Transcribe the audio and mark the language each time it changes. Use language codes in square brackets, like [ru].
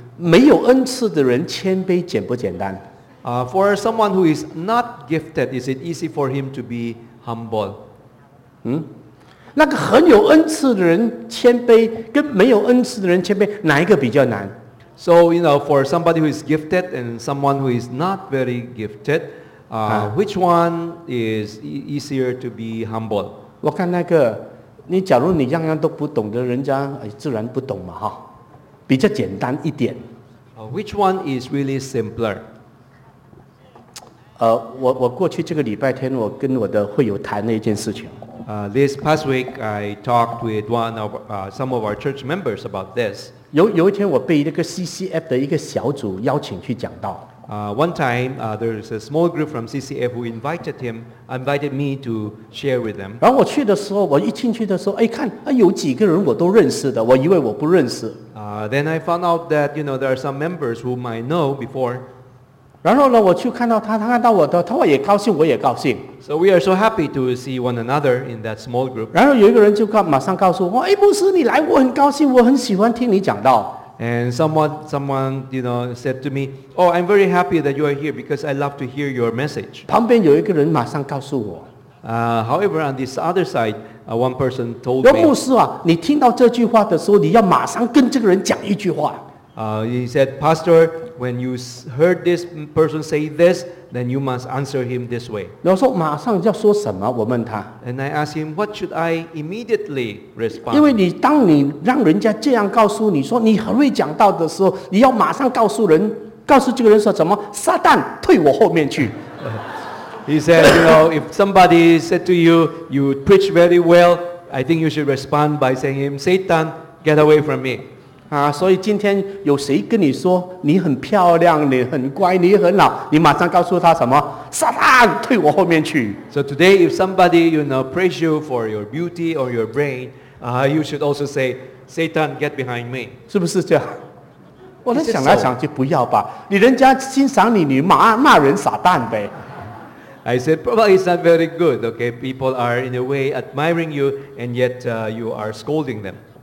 [zh] 没有恩赐的人谦卑简不简单？ [en] For someone who is not gifted, is it easy for him to be humble? [zh] 那个很有恩赐的人谦卑跟没有恩赐的人谦卑，哪一个比较难？ [en] So, you know, for somebody who is gifted and someone who is not very gifted, which one is easier to be humble? [zh] 我看那个，你假如你样样都不懂的人家，自然不懂嘛，比较简单一点。 [en] Which one is really simpler? [zh] 我过去这个礼拜天，我跟我的会友谈了一件事情。 [en] This past week, I talked with one of some of our church members about this. [zh] 有一天，我被那个 CCF 的一个小组邀请去讲道。 [en] One time, there is a small group from CCF who invited me to share with them. [zh] 然后我去的时候，我一进去的时候，看，有几个人我都认识的，我以为我不认识。 [en] Then I found out that, you know, there are some members whom I know before. [zh] 然后呢，我去看到他，他看到我的，他也高兴，我也高兴。 [en] So we are so happy to see one another in that small group. [zh] 然后有一个人就马上告诉我，牧师你来，我很高兴，我很喜欢听你讲道。 [en] And someone, you know, said to me, "Oh, I'm very happy that you are here because I love to hear your message." [zh] 旁边有一个人马上告诉我。 [en] However, on this other side, one person told me. [zh] 牧师啊，你听到这句话的时候，你要马上跟这个人讲一句话。 [en] He said, "Pastor, when you heard this person say this, then you must answer him this way." [zh] 我说马上要说什么？我问他。 [en] And I asked him, "What should I immediately respond?" [zh] 因为你当你让人家这样告诉你说你很会讲道的时候，你要马上告诉人，告诉这个人说什么？撒旦，退我后面去。 [en] He said, you know, if somebody said to you, you preach very well, I think you should respond by saying, Satan, get away from me. [zh] 所以今天有谁跟你说你很漂亮，你很乖，你很老，你马上告诉他什么？撒旦，退我后面去。 [en] So today, if somebody, you know, praise you for your beauty or your brain, you should also say, Satan, get behind me. [zh] 是不是这样？我在想来想去，不要吧。你人家欣赏你，你骂人撒旦呗。 [en] I said, probably it's not very good, okay? People are, in a way, admiring you, and yet you are scolding them.